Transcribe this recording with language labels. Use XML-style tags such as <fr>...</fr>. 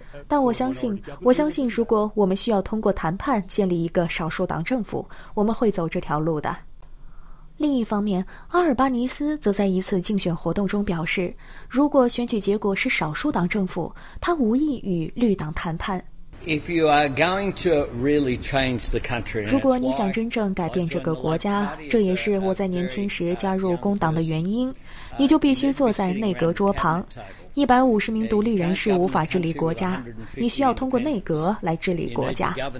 <zh>但我相信，如果我们需要通过谈判建立一个少数党政府，我们会走这条路的。另一方面，阿尔巴尼斯则在一次竞选活动中表示，如果选举结果是少数党政府，他无意与绿党谈判。</zh> <en>If you are going to really change the country,</en> <zh>如果你想真正改变这个国家，这也是我在年轻时加入工党的原因，你就必须坐在内阁桌旁。 150名独立人士无法治理国家，你需要通过内阁来治理国家。</zh>